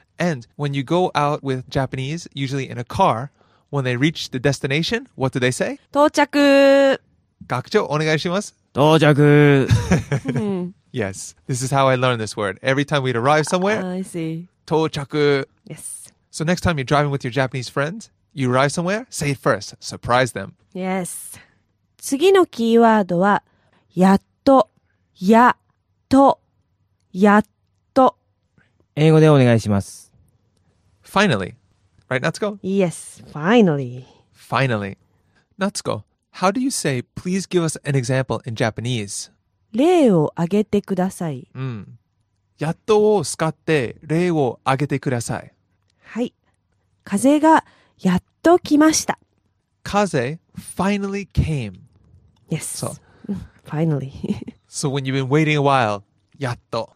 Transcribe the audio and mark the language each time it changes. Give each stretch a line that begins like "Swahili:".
English: And when you go out with Japanese, usually in a car, when they reach the destination, what do they say?
Japanese: 到着。学長、お願いします。到着。
English: Yes, this is how I learned this word. Every time we'd arrive somewhere, I see.
Japanese: 到着.
English: Yes. So next time you're driving with your Japanese friends, you arrive somewhere, say it first. Surprise them. Yes.
Japanese: 次のキーワードは、やっと、やっと、やっと。英語でお願いします。
English: Finally. Right, Natsuko? Yes, finally. Finally. Natsuko, how do you say, please give us an example in Japanese?
Japanese: 例を挙げてください。うん。やっとを使って例を挙げてください。はい。風がやっと来ました。
English: 風 finally came. Yes. So, finally. So when you've been waiting a while, やっと。